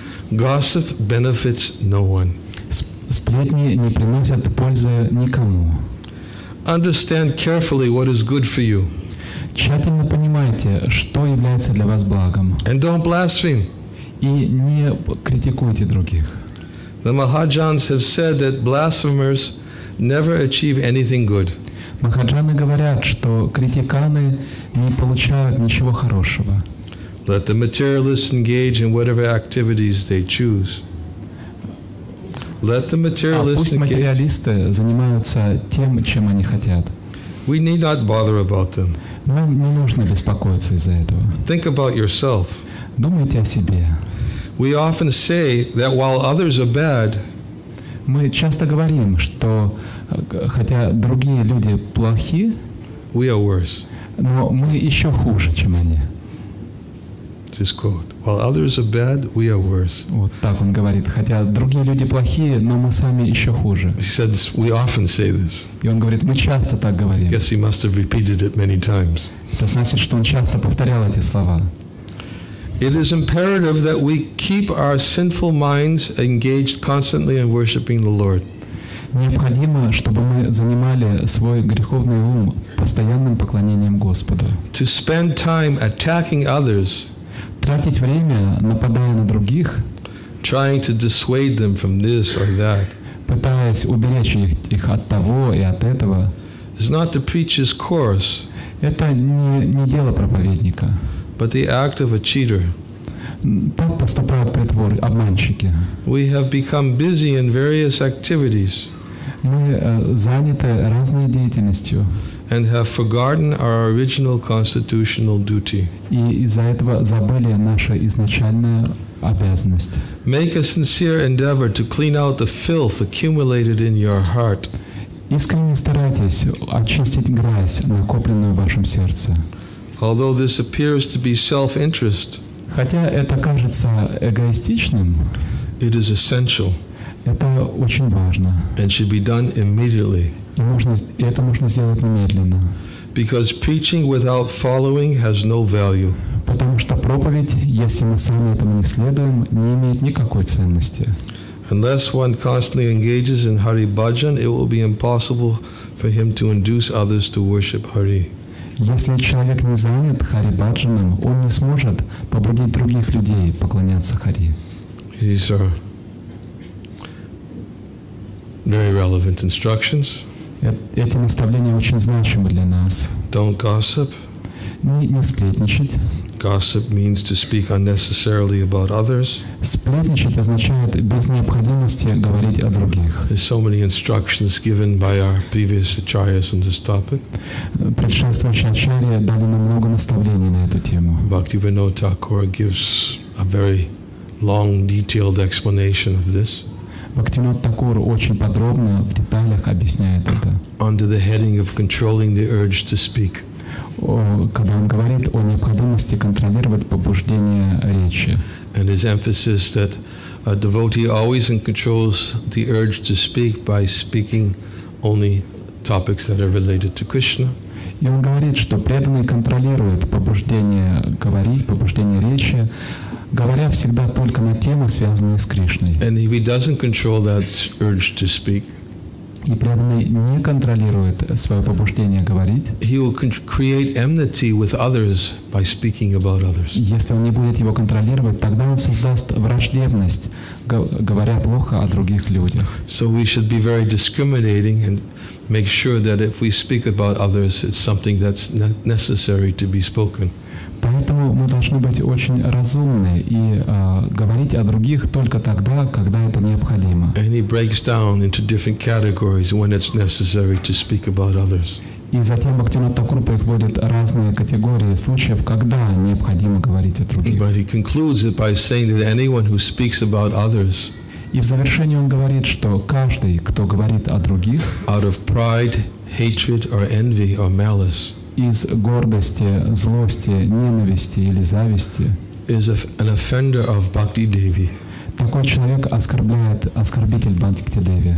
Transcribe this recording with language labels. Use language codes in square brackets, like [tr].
[en] Gossip benefits no one. [ru] Сплетни не приносят пользы никому. [en] Understand carefully what is good for you. [ru] Тщательно понимайте, что является для вас благом. [en] And don't blaspheme. [ru] И не критикуйте других. [en] The Mahajans have said that blasphemers never achieve anything good. [ru] Махаджаны говорят, что критиканы не получают ничего хорошего. [en] Let the materialists engage in whatever activities they choose. Let the materialists [ru] пусть материалисты [en] engage. [ru] Занимаются тем, чем они хотят. [en] We need not bother about them. [ru] Нам не нужно беспокоиться из-за этого. [en] Think about yourself. [ru] Думайте о себе. [en] We often say that while others are bad, [ru] мы часто говорим, что хотя другие люди плохи, [en] we are worse. [ru] Но мы еще хуже, чем они. [en] This quote. While others are bad, we are worse. [ru] Вот так он говорит. Хотя другие люди плохие, но мы сами еще хуже. [en] He said this, we often say this. [ru] И он говорит, мы часто так говорим. [en] Guess he must have repeated it many times. [ru] Это значит, что он часто повторял эти слова. [en] It is imperative that we keep our sinful minds engaged constantly in worshiping the Lord. [ru] Необходимо, чтобы мы занимали свой греховный ум постоянным поклонением Господу. [en] To spend time attacking others. [ru] Тратить время, нападая на других. [en] Trying to dissuade them from this or that. [ru] Пытаясь уберечь их от того и от этого. [en] It's not the preacher's course. [ru] Это не дело проповедника. [en] But the act of a cheater. [ru] Так поступают притворы, обманщики. [en] We have become busy in various activities. [ru] Мы заняты разной деятельностью. [en] And have forgotten our original constitutional duty. [ru] И из-за этого забыли нашу изначальную обязанность. [en] Make a sincere endeavor to clean out the filth accumulated in your heart. [ru] Искренне старайтесь очистить грязь, накопленную в вашем сердце. [en] Although this appears to be self-interest, [ru] хотя это кажется эгоистичным, [en] it is essential. [ru] Это очень важно. [en] And should be done immediately. [ru] И это можно сделать немедленно. [en] Because preaching without following has no value. [ru] Потому что проповедь, если мы сами этому не следуем, не имеет никакой ценности. [en] Unless one constantly engages in Hari Bhajan, it will be impossible for him to induce others to worship Hari. [ru] Если человек не занят Хари Баджаном, он не сможет побудить других людей поклоняться Хари. [en] These are very relevant instructions. [ru] Эти наставления очень значимы для нас. [en] Don't gossip. [ru] Не сплетничать. [en] Gossip means to speak unnecessarily about others. [ru] Сплетничать означает без необходимости говорить о других. [en] There's so many instructions given by our previous acharyas on this topic. [ru] Предшествующие ачарьи дали нам много наставлений на эту тему. [en] Bhaktivinoda Thakur gives a very long, detailed explanation of this. [ru] Бхактивинода Такур очень подробно в деталях объясняет это. [en] Under the heading of controlling the urge to speak. [ru] Когда он говорит о необходимости контролировать побуждение речи. [en] And his emphasis that a devotee always controls the urge to speak by speaking only topics that are related to Krishna. [ru] И он говорит, что преданный контролирует побуждение говорить, побуждение речи, говоря всегда только на темы, связанные с Кришной. [en] And if he doesn't control that urge to speak, [ru] и преданный не контролирует свое побуждение говорить, [en] he will create enmity with others by speaking about others. [ru] Если он не будет его контролировать, тогда он создаст враждебность, говоря плохо о других людях. [en] So we should be very discriminating and make sure that if we speak about others, it's something that's necessary to be spoken. [ru] Поэтому мы должны быть очень разумны и говорить о других только тогда, когда это необходимо. [en] And he breaks down into different categories when it's necessary to speak about others. [ru] И затем Бхактивинода Тхакур вводит разные категории случаев, когда необходимо говорить о других. [en] But he concludes it by saying that anyone who speaks about others, [ru] и в завершении он говорит, что каждый, кто говорит о других, [en] out of pride, hatred, or envy, or malice, [ru] из гордости, злости, ненависти или зависти, [en] is an offender of Bhakti Devi. [ru] Такой человек оскорбляет оскорбитель Бхакти Деви.